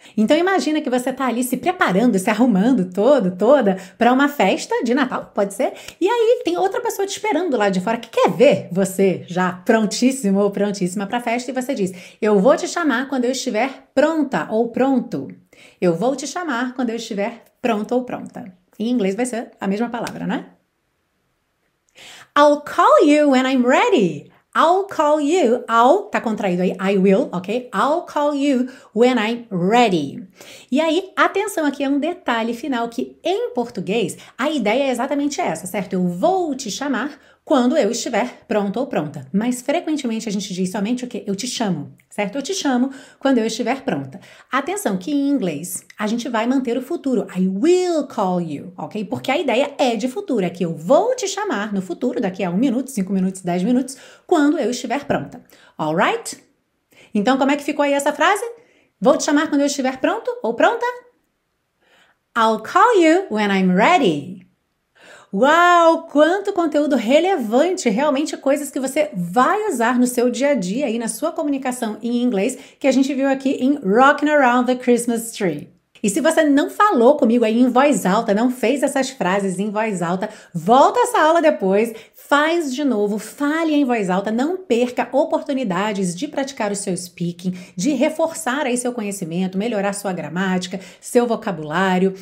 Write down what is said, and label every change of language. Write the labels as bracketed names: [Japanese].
[Portuguese] Então, imagina que você tá ali se preparando, se arrumando todo, toda, para uma festa de Natal, pode ser, e aí tem outra pessoa te esperando lá de fora que quer ver você já prontíssimo ou prontíssima para a festa, e você diz, eu vou te chamar quando eu estiver pronta ou pronto. Eu vou te chamar quando eu estiver pronto ou pronta. Em inglês vai ser a mesma palavra, né? [English] I'll call you when I'm ready. I'll call you. I'll, [Portuguese] tá contraído aí, [English] I will, ok? I'll call you when I'm ready. [Portuguese] E aí, atenção aqui, é um detalhe final que em português a ideia é exatamente essa, certo? Eu vou te chamar quando eu estiver pronto ou pronta. Mas frequentemente a gente diz somente o quê? Eu te chamo, certo? Eu te chamo quando eu estiver pronta. Atenção que em inglês a gente vai manter o futuro. [English] I will call you, [Portuguese] ok? Porque a ideia é de futuro. É que eu vou te chamar no futuro, daqui a 1 minuto, 5 minutos, 10 minutos, quando eu estiver pronta. Alright? Então como é que ficou aí essa frase? Vou te chamar quando eu estiver pronto ou pronta? [English] I'll call you when I'm ready. [Portuguese] Uau, quanto conteúdo relevante, realmente coisas que você vai usar no seu dia a dia e na sua comunicação em inglês, que a gente viu aqui em Rockin' Around the Christmas Tree. E se você não falou comigo aí em voz alta, não fez essas frases em voz alta, volta essa aula depois, faz de novo, fale em voz alta, não perca oportunidades de praticar o seu speaking, de reforçar aí seu conhecimento, melhorar sua gramática, seu vocabulário.